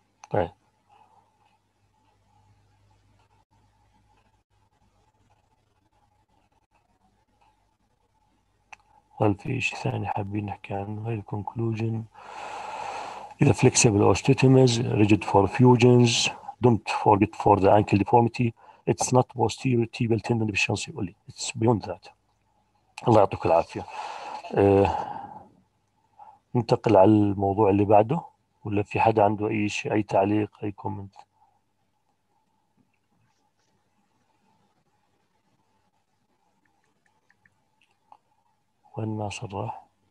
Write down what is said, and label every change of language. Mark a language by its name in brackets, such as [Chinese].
[Arabic] طيب هل في شيء ثاني حابين نحكي عنه؟ هاي الكونكلوجن. [English] إذا flexible osteotomies, rigid for fusions, don't forget for the ankle deformity, it's not posterior tibial tendon deficiency only, it's beyond that. [Arabic] الله يعطيك العافية. ننتقل على الموضوع اللي بعده ولا في حد عنده أي شيء, أي تعليق, أي كومنت؟ وين ناصر راح؟